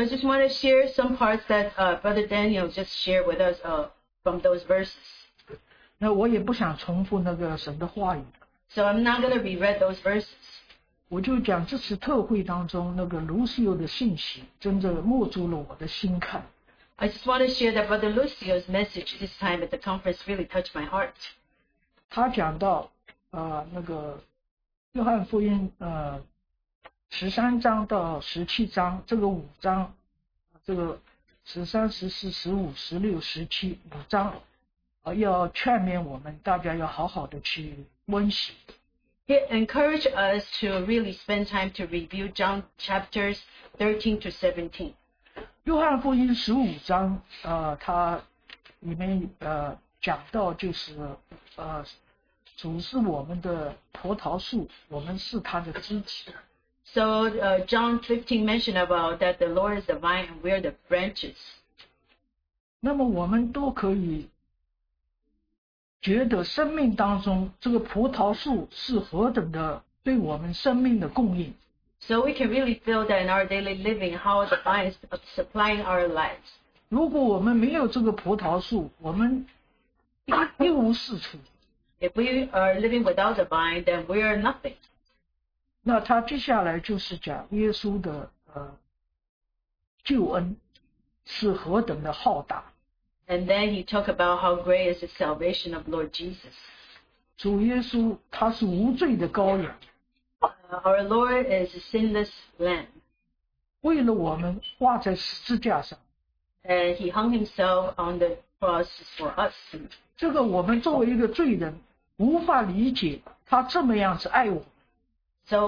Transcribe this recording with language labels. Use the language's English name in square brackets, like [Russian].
[English] I just want to share some parts that Brother Daniel just shared with us from those verses. [Chinese] 那我也不想重复那个神的话语。 [English] So I'm not going to reread those verses. [Chinese] 我就讲这次特会当中那个卢西欧的信息真的摸住了我的心坎。 [English] I just want to share that Brother Lucio's message this time at the conference really touched my heart. [Chinese] 他讲到 约翰福音, 13章到17章, 这个五章, 这个13、14、15、16、17, 五章, 要劝勉我们, 大家要好好的去温习。 [English] He encouraged us to really spend time to review John chapters 13 to 17. [Chinese] 约翰福音15章, 它里面, 讲到就是, 主是我们的葡萄树, 我们是他的枝子。 [English] So John 15 mentioned about that the Lord is the vine and we are the branches. [Chinese] 那么我们都可以觉得生命当中这个葡萄树是何等的对我们生命的供应。 [English] So we can really feel that in our daily living how the vine is supplying our lives. [Chinese] 如果我们没有这个葡萄树, 我们一无是处。 [English] If we are living without the vine, then we are nothing. [Chinese] 那他接下来就是讲耶稣的, 救恩是何等的浩大。 [English] And then he talked about how great is the salvation of Lord Jesus. [Chinese] 主耶稣他是无罪的羔羊。 [English] Our Lord is a sinless lamb. [Chinese] 为了我们挂在十字架上。 [English] And he hung himself on the cross for us. [Chinese] 这个我们作为一个罪人, 无法理解他这么样子爱我。 [English] So